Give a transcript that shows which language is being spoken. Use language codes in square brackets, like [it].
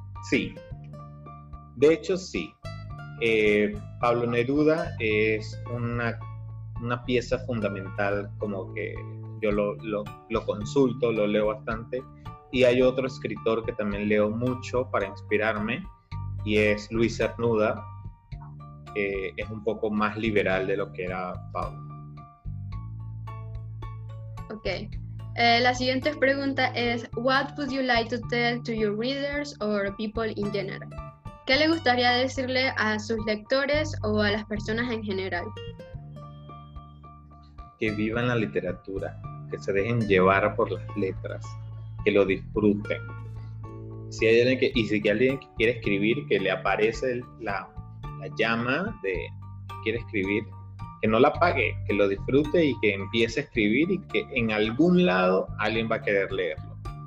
[es] Sí, sí. De hecho, sí. Pablo Neruda es una pieza fundamental, como que yo lo consulto, lo leo bastante. Y hay otro escritor que también leo mucho para inspirarme, y es Luis Cernuda, que es un poco más liberal de lo que era Pablo. Ok. La siguiente pregunta es, [en] what would you like to tell to your readers or people in general? [es] ¿Qué le gustaría decirle a sus lectores o a las personas en general? Que vivan la literatura, que se dejen llevar por las letras, que lo disfruten. Si hay alguien que quiere escribir, que le aparece la llama de que quiere escribir, que no la apague, que lo disfrute y que empiece a escribir, y que en algún lado alguien va a querer leerlo.